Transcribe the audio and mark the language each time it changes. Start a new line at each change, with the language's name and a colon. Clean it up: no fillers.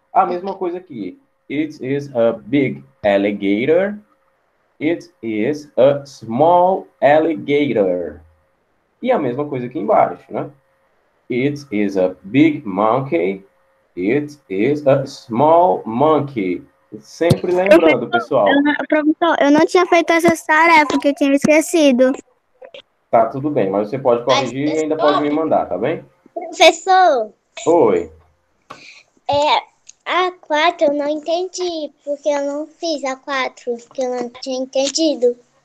Portuguese: A mesma coisa aqui,
English: it is a big alligator, it is a small alligator.
Portuguese: E a mesma coisa aqui embaixo, né?
English: It is a big monkey, it is a small monkey.
Portuguese: Sempre lembrando, pessoal. Professor, eu não tinha feito essa tarefa, porque eu tinha esquecido. Tá tudo bem, mas você pode corrigir e ainda pode me mandar, tá bem? Professor. Oi. É, a 4 eu não entendi, porque eu não fiz a 4, porque eu não tinha entendido.